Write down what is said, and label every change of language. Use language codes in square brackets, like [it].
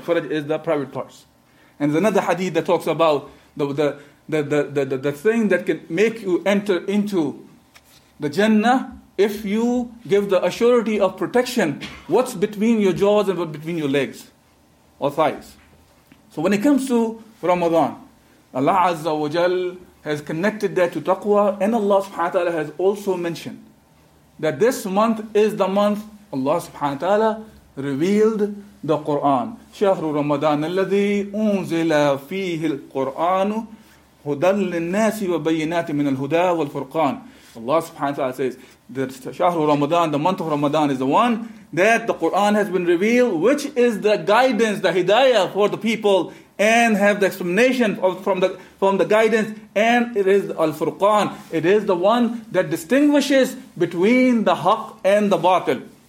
[en] Faraj is the private parts. And there's another hadith that talks about the thing that can make you enter into the Jannah, if you give the assurity of protection, what's between your jaws and what's between your legs or thighs. So when it comes to Ramadan, Allah Azza wa Jal has connected that to taqwa, and Allah subhanahu wa ta'ala has also mentioned that this month is the month Allah subhanahu wa ta'ala revealed the Quran. [ar] شهر رمضان الذي أنزل فيه القرآن هدى للناس وبينات من الهدى والفرقان. [en] Allah subhanahu wa ta'ala says that [ar] شهر رمضان, [en] the month of Ramadan, is the one that the Quran has been revealed, which is the guidance, the hidayah for the people, and have the explanation of, from the guidance, and it is al-Furqan. It is the one that distinguishes between the haqq and the batil.